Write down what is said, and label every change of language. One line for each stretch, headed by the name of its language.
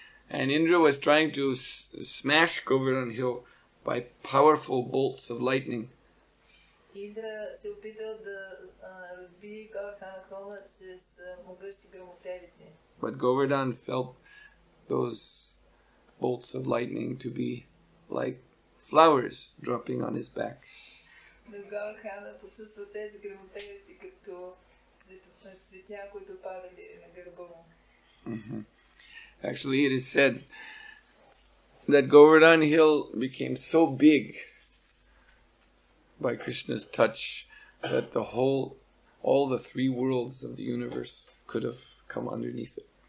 English: And Indra was trying to smash Govardhan Hill by powerful bolts of lightning.
Bulgarian: Indra се опитал да разбие Говардхана Хил чрез могъщи гръмотевици.
English: But Govardhan felt those bolts of lightning to be like flowers dropping on his back.
Bulgarian: Но Говардхана почувствал тези гръмотевици като цветя, които падали на гърба му.
English: Actually, it is said that Govardhan Hill became so big by Krishna's touch that the whole, all the three worlds of the universe could have come underneath it.